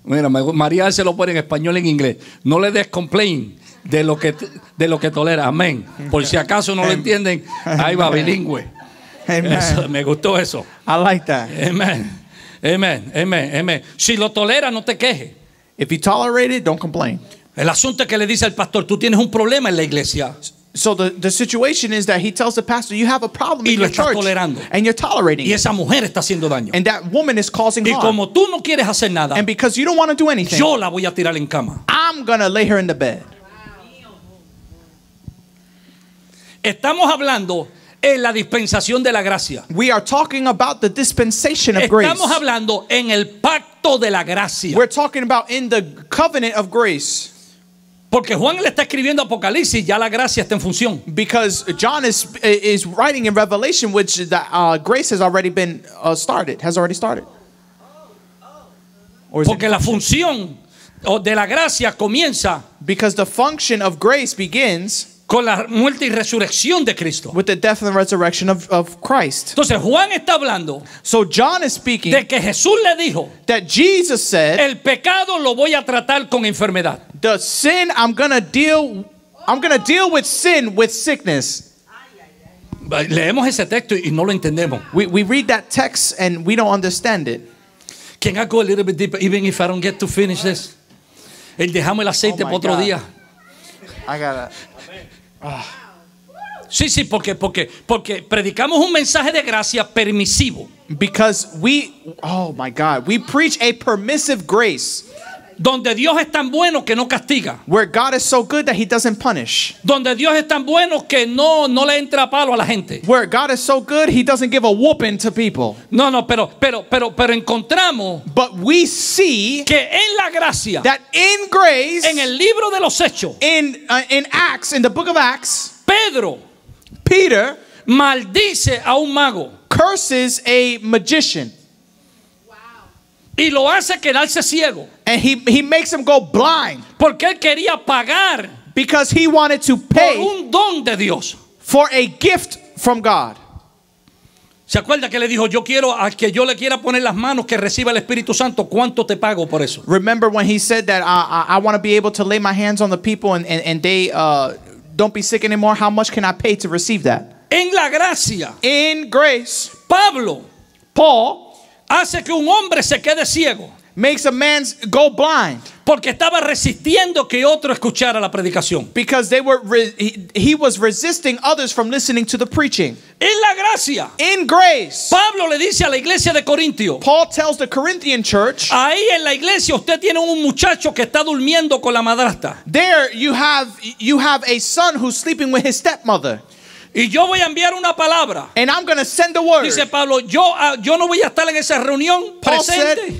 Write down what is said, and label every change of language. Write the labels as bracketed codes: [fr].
[es] Mira, María se lo pone en español y en inglés. No le des complain de lo que tolera. Amén. Por si acaso no lo entienden, ahí va bilingüe. [en] Amen. [es] Eso, me gustó eso. [en] I like that. [es] Amén. Amén. Amén. Amén. Si lo tolera, no te quejes. [en] If you tolerate it, don't complain. [es] El asunto es que le dice al pastor, tú tienes un problema en la iglesia. [en] So the situation is that he tells the pastor, you have a problem [es] y [en] in your church [es] tolerando. [en] And you're tolerating [es] y esa mujer está haciendo daño. [en] And that woman is causing [es] y [en] harm. [es] Como tú no quieres hacer nada, [en] and because you don't want to do anything, [es] yo la voy a tirar en cama. [en] I'm going to lay her in the bed. [es] Estamos hablando en la dispensación de la gracia. [en] We are talking about the dispensation of [es] Estamos [en] grace. [es] Estamos hablando en el pacto de la gracia. [en] We're talking about in the covenant of grace. [es] Porque Juan le está escribiendo Apocalipsis, ya la gracia está en función. [en] Because John is writing in Revelation, which the grace has already been started, has already started. [es] Porque la función de la gracia comienza. [en] Because the function of grace begins. [es] Con la muerte y resurrección de Cristo. [en] With the death and resurrection of Christ. [es] Entonces Juan está hablando. [en] So John is speaking. [es] De que Jesús le dijo. [en] That Jesus said. [es] El pecado lo voy a tratar con enfermedad. [en] The sin I'm gonna deal with sin with sickness. [es] Leemos ese texto y no lo entendemos. [en] We read that text and we don't understand it. Can I go a little bit deeper, even if I don't get to finish this? [es] El dejamos el aceite para otro día. [en] I gotta. [es] Sí, porque predicamos un mensaje de gracia permisivo. [en] Because we preach a permissive grace. [es] Donde Dios es tan bueno que no castiga. [en] Where God is so good that he doesn't punish. [es] Donde Dios es tan bueno que no le entra palo a la gente. [en] Where God is so good he doesn't give a whooping to people. [es] No, pero encontramos, [en] but we see, [es] que en la gracia, [en] that in grace, [es] en el libro de los hechos, [en] in Acts, in the book of Acts, [es] Peter maldice a un mago, [en] curses a magician. [es] Y lo hace quedarse ciego. [en] And he makes him go blind. [es] Porque él quería pagar. [en] Because he wanted to pay. [es] Por un don de Dios. [en] For a gift from God. [es] ¿Se acuerda que le dijo, yo quiero a que yo le quiera poner las manos que reciba el Espíritu Santo, cuánto te pago por eso? [en] Remember when he said that I want to be able to lay my hands on the people and they don't be sick anymore. How much can I pay to receive that? [es] En la gracia. [en] In grace. [es] Pablo. [en] Paul. [es] Hace que un hombre se quede ciego. [en] Makes a man go blind. [es] Porque estaba resistiendo que otro escuchara la predicación. [en] Because they were he was resisting others from listening to the preaching. [es] En la gracia. [en] In grace. [es] Pablo le dice a la iglesia de Corintio. [en] Paul tells the Corinthian church. [es] Ahí en la iglesia usted tiene un muchacho que está durmiendo con la madrastra. [en] There you have a son who's sleeping with his stepmother. [es] Y yo voy a enviar una palabra. [en] And I'm going to send the word. [es] Dice Pablo, yo no voy a estar en esa reunión presente.